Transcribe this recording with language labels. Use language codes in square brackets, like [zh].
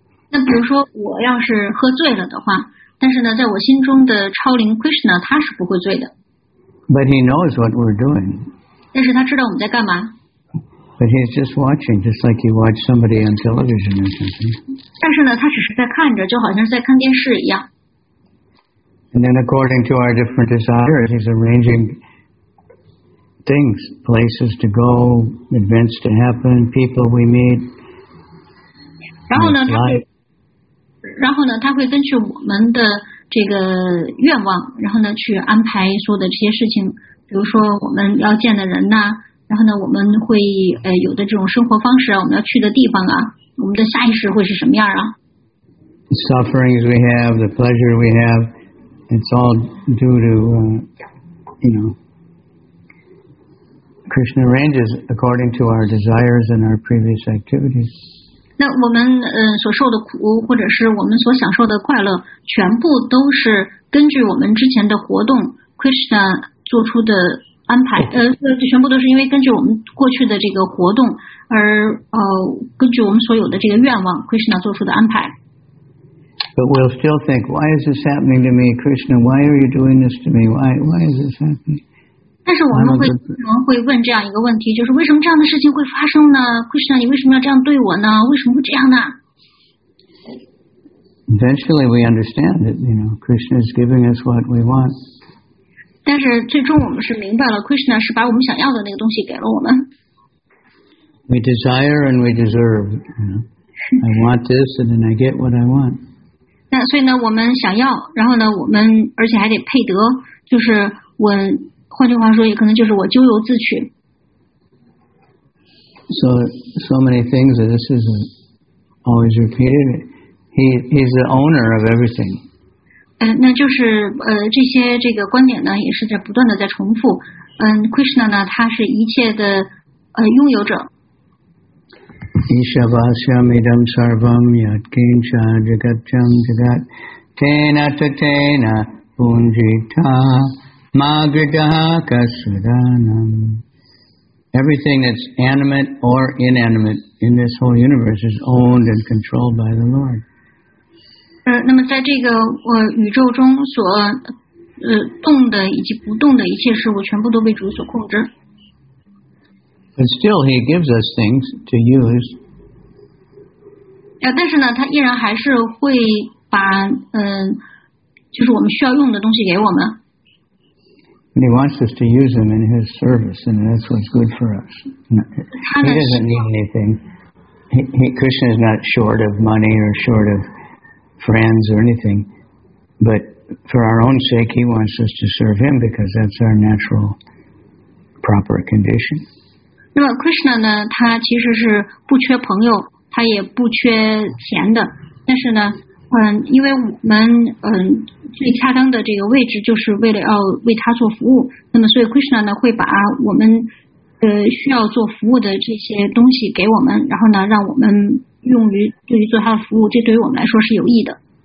[zh] 那比如说我要是喝醉了的话，但是呢，在我心中的超灵 Krishna 他是不会醉的。 [en] But he knows what we're doing. [zh] 但是他知道我们在干嘛。 [en] But he's just watching, just like you watch somebody on television or something. [zh] 但是呢，他只是在看着，就好像是在看电视一样。 [en] And then, according to our different desires, he's arranging. things, places to go, events to happen, people we meet. [zh] 然后呢，他会根据我们的这个愿望，然后呢去安排说的这些事情，比如说我们要见的人呐、啊，然后呢我们会有的这种生活方式啊，我们要去的地方啊，我们的下意识会是什么样啊 [en] ？Sufferings we have, the pleasure we have, it's all due to Krishna arranges according to our desires and our previous activities. [zh] 那我们所受的苦或者是我们所享受的快乐，全部都是根据我们之前的活动 Krishna 做出的安排。全部都是因为根据我们过去的这个活动而根据我们所有的这个愿望 Krishna 做出的安排。 [en] But we'll still think, why is this happening to me, Krishna? Why are you doing this to me? Why is this happening? [zh] 但是我们会问这样一个问题，就是为什么这样的事情会发生呢 ？Krishna， 你为什么要这样对我呢？为什么会这样呢 [en] ？Eventually, we understand that you know Krishna is giving us what we want. [zh] 但是最终我们是明白了 ，Krishna 是把我们想要的那个东西给了我们。 [en] We desire and we deserve. I want this, and then I get what I want. [zh] 那所以呢，我们想要，然后呢，我们而且还得配得，就是我，换句话说，也可能就是我咎由自取。 [en] So many things. This is always repeated. He's the owner of everything. [zh] 那就是这些这个观点呢，也是在不断的在重复。 Krishna 呢，他是一切的拥有者。 [sa] Ishavasyam idam sarvam yat kincha jagatyam jagat tena tatena punjita magritaha kasvadanam. [en] Everything that's animate or inanimate in this whole universe is owned and controlled by the Lord. [zh] 那么在这个宇宙中所动的以及不动的一切事物全部都被主所控制。 [en] But still he gives us things to use. [zh] 但是呢他依然还是会把就是我们需要用的东西给我们。 [en] And he wants us to use them in his service and that's what's good for us. He doesn't need anything. Krishna is not short of money or short of friends or anything. But for our own sake he wants us to serve him because that's our natural proper condition. [zh] 那么 Krishna 呢他其实是不缺朋友他也不缺钱的但是呢因为我们最恰当的这个位置就是为了要为他做服务那么所以 Krishna 呢会把我们需要做服务的这些东西给我们然后呢让我们用于对于做他的服务这对于我们来说是有益的。